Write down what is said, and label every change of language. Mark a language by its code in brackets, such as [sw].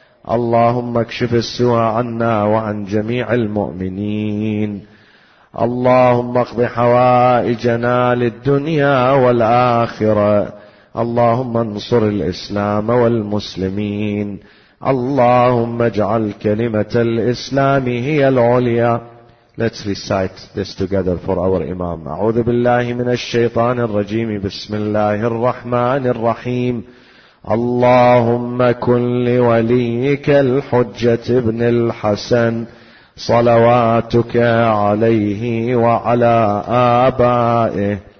[ar] اللهم اكشف السوء عنا وعن جميع المؤمنين. اللهم اقض حوائجنا للدنيا والآخرة. اللهم انصر الإسلام والمسلمين. اللهم اجعل كلمة الإسلام هي العليا. [en] Let's recite this together for our imam. [ar] أعوذ بالله من الشيطان الرجيم، بسم الله الرحمن الرحيم. اللهم كن لوليك الحجة ابن الحسن صلواتك عليه وعلى آبائه